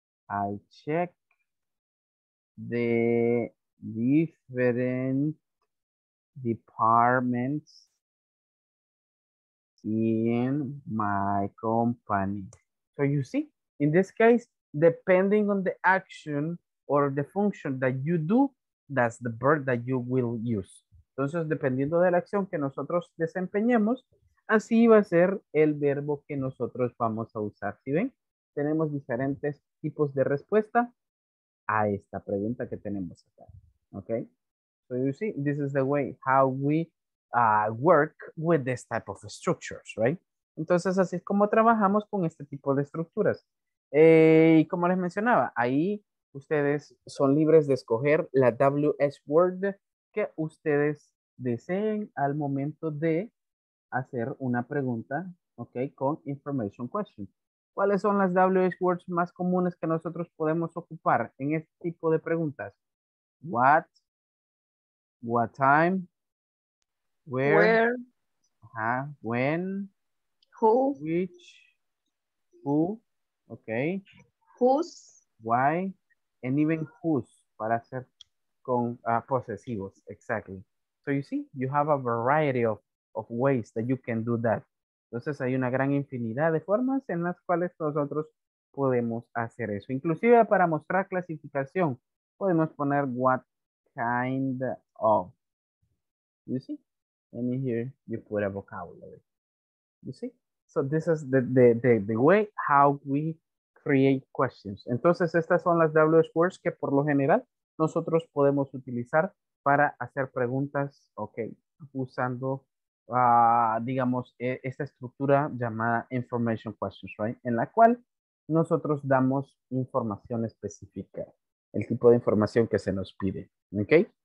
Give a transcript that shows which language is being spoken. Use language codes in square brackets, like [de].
[en] I check the different departments in my company. So you see, in this case, depending on the action or the function that you do, that's the verb that you will use. [es] Entonces, dependiendo de la acción que nosotros desempeñemos, así va a ser el verbo que nosotros vamos a usar. ¿Sí ven? Tenemos diferentes tipos de respuesta a esta pregunta que tenemos acá. [en] Okay? So you see, this is the way how we work with this type of structures, right? [es] Entonces, así es como trabajamos con este tipo de estructuras. Y como les mencionaba, ahí ustedes son libres de escoger la WH word que ustedes deseen al momento de hacer una pregunta, ¿ok? Con information question. ¿Cuáles son las WH words más comunes que nosotros podemos ocupar en este tipo de preguntas? [en] What, what time, where, uh-huh, when, who, which, who, ¿ok? Whose, why, and even whose, [es] para hacer con posesivos, [en] exactly. So you see, you have a variety of ways that you can do that. [es] Entonces hay una gran infinidad de formas en las cuales nosotros podemos hacer eso. Inclusive para mostrar clasificación, podemos poner [en] what kind of. You see? And here you put a vocabulary. You see? So this is the way how we create questions. [es] Entonces, estas son las WH words que por lo general nosotros podemos utilizar para hacer preguntas, ok, usando, digamos, esta estructura llamada information questions, right? En la cual nosotros damos información específica, el tipo de información que se nos pide, ok?